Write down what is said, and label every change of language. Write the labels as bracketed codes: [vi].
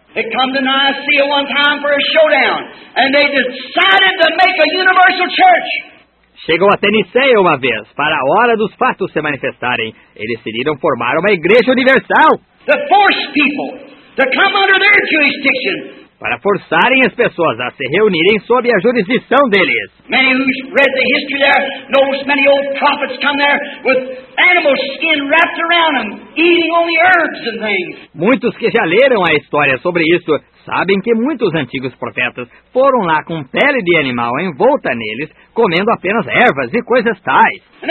[en] They come to Nicaea one time for a showdown, and they decided to make a universal church. [pt] Chegou até Nicaea uma vez, para a hora dos fatos se manifestarem. Eles decidiram formar uma igreja universal. [en] To force people to come under their jurisdiction. [pt] Para forçarem as pessoas a se reunirem sob a jurisdição deles. [en] Many who read the history there knows many old prophets come there with animal skin wrapped around them eating only herbs and things. [pt] Muitos que já leram a história sobre isso sabem que muitos antigos profetas foram lá com pele de animal envolta neles, comendo apenas ervas e coisas tais.